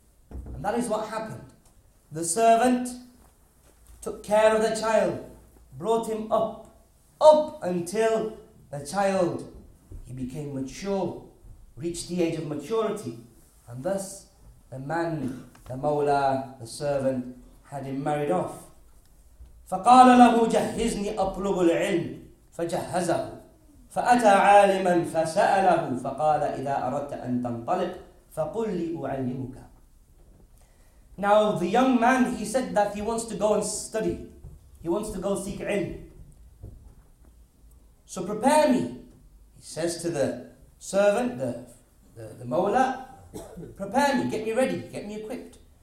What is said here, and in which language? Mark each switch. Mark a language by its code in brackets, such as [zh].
[en] And that is what happened. The servant took care of the child, brought him up until the child, he became mature, reached the age of maturity. And thus, the man, the mawla, the servant, had him married off. [ar] فَقَالَ لَهُ جَهِّزْنِي أَطْلُبُ الْعِلْمِ فَجَهَّزَهُ فأتى عالما فسأله فقال إذا أردت أن تنطلق فقل لي أعلمك. [en] Now the young man, he said that he wants to go and study. He wants to go seek ilm. So prepare me, he says to the servant, the mawla, prepare me, get me ready, get me equipped.